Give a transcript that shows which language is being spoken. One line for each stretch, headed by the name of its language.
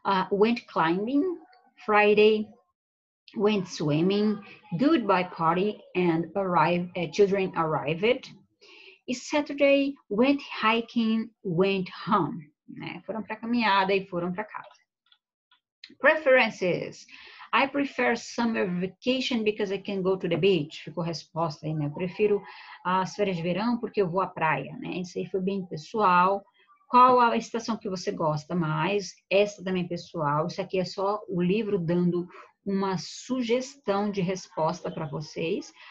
English: went climbing, Friday, went swimming, goodbye party, and children arrived. E Saturday, went hiking, went home. Né?
Portuguese: Foram para a caminhada e foram para casa.
English: Preferences. I prefer summer vacation because I can go to the beach.
Portuguese: Ficou a resposta aí, né? Eu prefiro as férias de verão porque eu vou à praia, né? Isso aí foi bem pessoal. Qual a estação que você gosta mais? Essa também é pessoal. Isso aqui é só o livro dando uma sugestão de resposta para vocês.